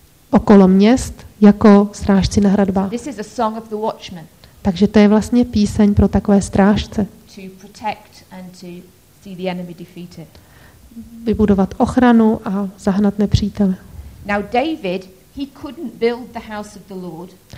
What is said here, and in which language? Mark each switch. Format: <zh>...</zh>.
<cs>Okolo měst jako strážci na hradbách.</cs> <en>This is a song of the watchman.</en> <cs>Takže to je vlastně píseň pro takové strážce.</cs> <en>To protect and to see the enemy defeated.</en> <cs>Vybudovat ochranu a zahnat nepřítele.</cs> <en>Now David, he couldn't build the house of the Lord.</en>